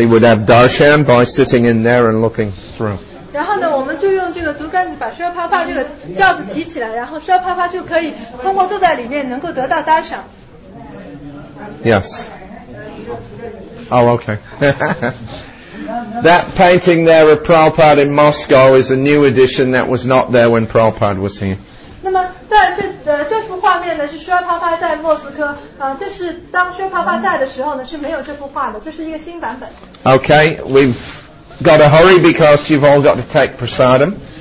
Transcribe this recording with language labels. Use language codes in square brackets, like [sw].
[en] He would have darshan by sitting in there and looking through. [zh] 然后呢，我们就用这个竹竿子把舒尔帕帕这个轿子提起来，然后舒尔帕帕就可以通过坐在里面，能够得到搭赏。 [en] Yes. Oh, okay. That painting there of Prabhupada in Moscow is a new edition that was not there when Prabhupada was here. [zh] 那么，这幅画面呢是舒尔帕帕在莫斯科，这是当舒尔帕帕在的时候呢是没有这幅画的，这是一个新版本。 [en] Okay, we've got to hurry because you've all got to take prasadam.